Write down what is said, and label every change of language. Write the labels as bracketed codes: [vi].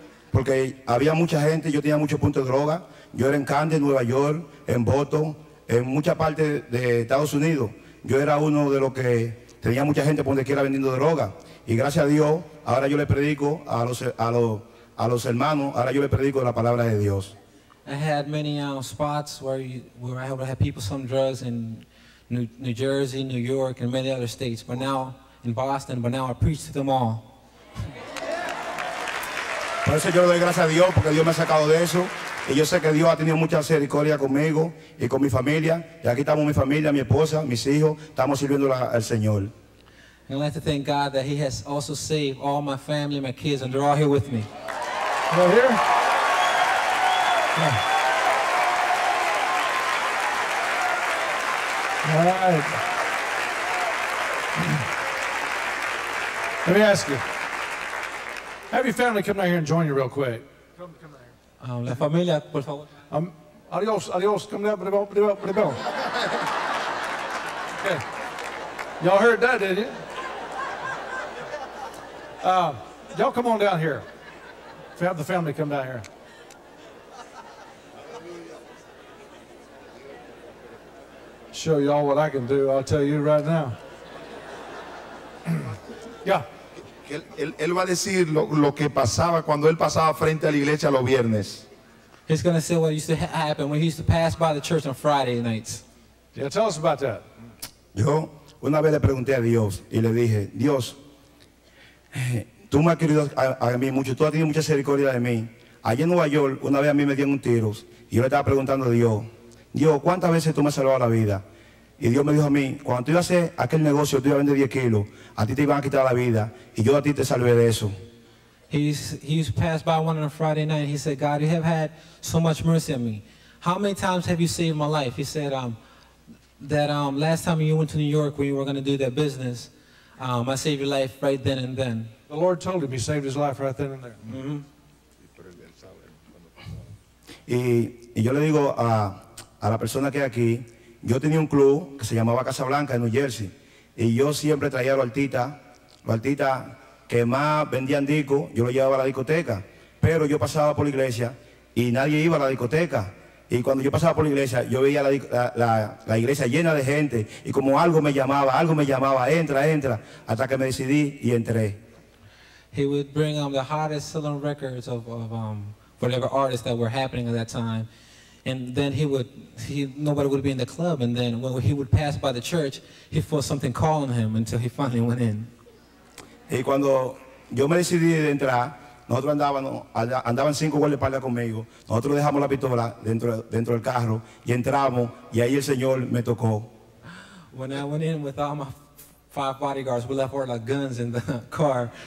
[es] Porque había mucha gente, yo tenía muchos puntos de droga. Yo era en Camden, Nueva York, en Boston, en muchas partes de Estados Unidos. Yo era uno de los que tenía mucha gente por donde quiera vendiendo droga. Y gracias a Dios, ahora yo le predico a los hermanos, ahora yo le predico la palabra de Dios. [en] I had many spots where I had people some drugs in New Jersey, New York, and many other states. But now, in Boston, but now I preach to them all. [es] Por eso yo le doy gracias a Dios, porque Dios me ha sacado de eso. Y yo sé que Dios ha tenido mucha misericordia conmigo y con mi familia. Y aquí estamos mi familia, mi esposa, mis hijos. Estamos sirviendo al Señor. [en] And I'd like to thank God that he has also saved all my family, my kids, and they're all here with me. You right here? Yeah. All right. Let me ask you. Have your family come down here and join you real quick. Come down here. [es] La familia, por favor. Adios, adios, [en] come down, pretty well. Okay. Y'all heard that, didn't you? Y'all come on down here. If you have the family come down here. Show y'all what I can do, I'll tell you right now. Yeah. [es] Él va a decir lo que pasaba cuando él pasaba frente a la iglesia los viernes. [en] He's going to say what used to happen when he used to pass by the church on Friday nights. Yeah, tell us about that. [es] Yo una vez le pregunté a Dios y le dije, Dios, Tú me has querido a mí mucho, tú has tenido mucha misericordia de mí. Allí en Nueva York, una vez a mí me dieron un tiro y yo le estaba preguntando a Dios, Dios, ¿cuántas veces tú me has salvado la vida? Y Dios me dijo a mí, cuando tú ibas a hacer aquel negocio, tú ibas a vender 10 kilos, a ti te iban a quitar la vida y yo a ti te salvé de eso. [en] He passed by one on a Friday night and he said, God, you have had so much mercy on me. How many times have you saved my life? He said, last time you went to New York when you were going to do that business, I saved your life right then and then. The Lord told him he saved his life right then and there. Mm-hmm. [es] Y yo le digo a la persona que aquí, yo tenía un club que se llamaba Casa Blanca en New Jersey, y yo siempre traía a los artistas que más vendían discos, yo los llevaba a la discoteca, pero yo pasaba por la iglesia y nadie iba a la discoteca. Y cuando yo pasaba por la iglesia, yo veía la iglesia llena de gente, y como algo me llamaba, entra, hasta que me decidí y entré. [en] He would bring the hottest selling records of whatever artists that were happening at that time. And then nobody would be in the club. And then when he would pass by the church, he felt something calling him until he finally went in. [es] Y cuando yo me decidí de entrar, nosotros andaban cinco guardaespaldas conmigo. Nosotros dejamos la pistola dentro del carro y entramos, y ahí el Señor me tocó. [en] When I went in with all my five bodyguards, we left all our guns in the car.